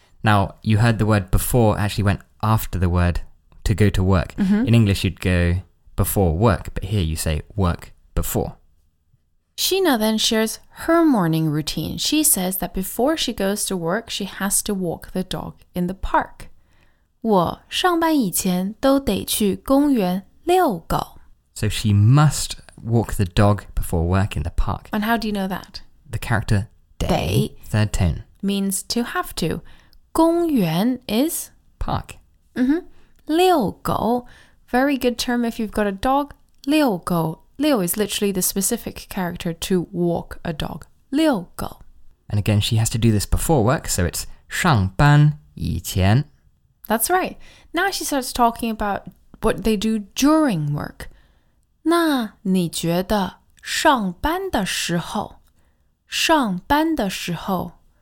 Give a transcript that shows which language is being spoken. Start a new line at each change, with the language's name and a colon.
English: Now, you heard the word before actually went after the word to go to work. Mm-hmm. In English, you'd go before work, but here you say work before. Sheena then shares her morning routine. She says that before she goes to work, she has to walk the dog in the park.
Chinese: 我上班以前都得去公园遛狗。
English: So she must walk the dog before work in the park. And how do you know that? The character 得, third tone. Means to have to. 公园 is? Park. 遛狗, very good term if you've got a dog. 遛狗, 遛 is literally the specific character to walk a dog. 遛狗. And again, she has to do this before work, so it's 上班以前。 That's right. Now she starts talking about what they do during work.
Chinese: 那你觉得上班的时候,上班的时候,